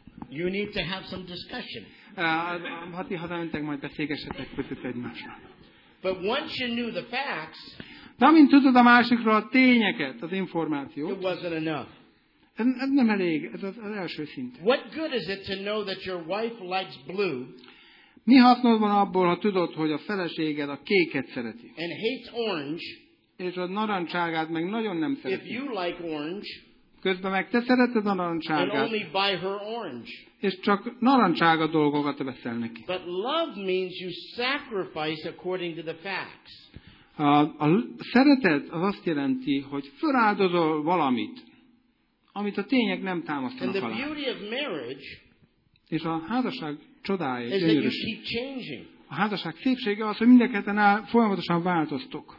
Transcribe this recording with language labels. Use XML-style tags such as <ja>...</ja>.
<en>You need to have some discussion.</en> <hu>Hati, hazamentek, majd beszélgessetek között egymással.</hu> <en>But once you knew the facts,</en> <hu>na, mint tudod a másikra a tényeket, az információt,</hu> <en>it wasn't enough.</en> <hu>Ez nem elég, ez az első szint.</hu> <en>What good is it to know that your wife likes blue?</en> <hu>Mi hasznod van abból, ha tudod, hogy a feleséged a kéket szereti?</hu> <en>And hates orange.</en> <hu>És a narancságát meg nagyon nem szereti.</hu> <en>If you like orange,</en> <hu>Közben meg te szereted a narancsárgát.</hu> <en>And only buy her orange.</en> <hu>És csak narancsárga dolgokat veszel neki.</hu> <en>But love means you sacrifice according to the facts.</en> <hu>A szeretet az azt jelenti, hogy feláldozol valamit, amit a tények nem támasztanak alá.</hu> <en>And the beauty of marriage,</en> <hu>és a házasság csodája, gyönyörűség. A házasság szépsége az, hogy mindenketten folyamatosan változtok.</hu>